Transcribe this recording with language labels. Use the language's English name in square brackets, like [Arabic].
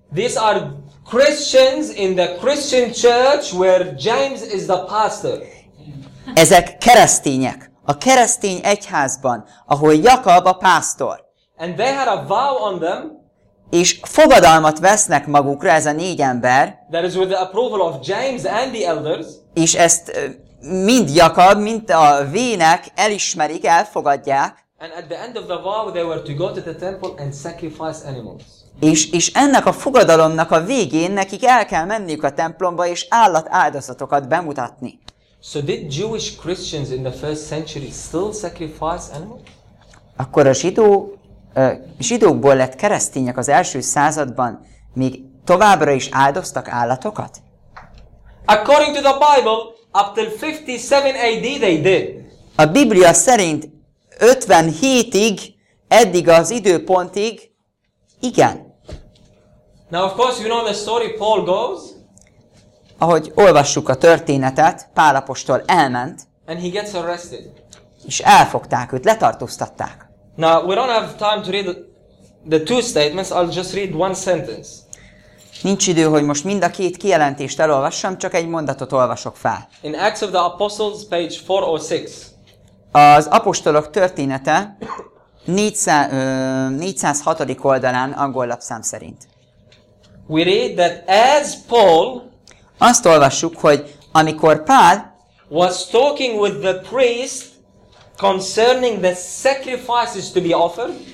[English] These are Christians in the Christian church where James is the pastor. [Hungarian] Ezek keresztények, a keresztény egyházban, ahol Jakab a pásztor. [English] And they had a vow on them. [Hungarian] És fogadalmat vesznek magukra ez a 4 ember. [English] That is with the approval of James and the elders. [Hungarian] És ezt mind Jakab, mind a vének elismerik, elfogadják. [English] And at the end of the vow they were to go to the temple and sacrifice animals. [Hungarian] És ennek a fogadalomnak a végén nekik el kell menniük a templomba és állat áldozatokat bemutatni. [English] So did Jewish Christians in the first century still sacrifice animals? [Hungarian] Akkor a zsidókból lett keresztények az első században még továbbra is áldoztak állatokat? [English] According to the Bible, up till 57 AD they did. [Hungarian] A Biblia szerint 57-ig, eddig az időpontig, igen. [English] Now of course you know the story, Paul goes. [Hungarian] Ahogy olvassuk a történetet, Pál apostol elment, [English] and he gets arrested. [Hungarian] És elfogták őt, letartóztatták. [English] Now we don't have time to read the two statements, I'll just read one sentence. [Hungarian] Nincs idő, hogy most mind a két kijelentést elolvassam, csak egy mondatot olvasok fel. [English] In Acts of the Apostles, page 406. [Hungarian] Az apostolok története 406. oldalán, angol lapszám szerint. [English] We read that as Paul, [Hungarian] azt olvassuk, hogy amikor Pál [English] was talking with the priest concerning the sacrifices to be offered,